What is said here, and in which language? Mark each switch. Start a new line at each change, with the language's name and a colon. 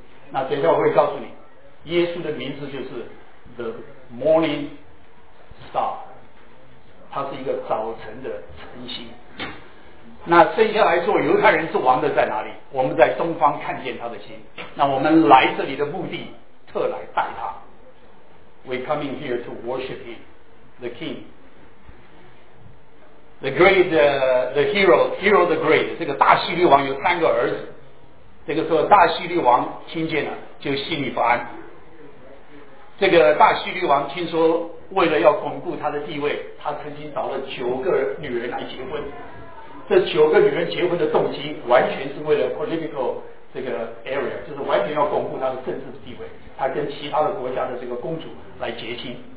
Chinese: 那等一下我会告诉你，耶稣的名字就是 The Morning Star， 他是一个早晨的晨星。那生下来做犹太人之王的在哪里？我们在东方看见他的心。那我们来这里的目的，特来拜他。
English: We coming here to worship him, the king, the great, the hero, hero the great。
Chinese: 这个大希律王有三个儿子。这个时候，大希律王听见了，就心里不安。这个大希律王听说，为了要巩固他的地位，他曾经找了九个女人来结婚。这九个女人结婚的动机完全是为了 political 这个 area， 就是完全要巩固他的政治地位，他跟其他的国家的这个公主来结亲。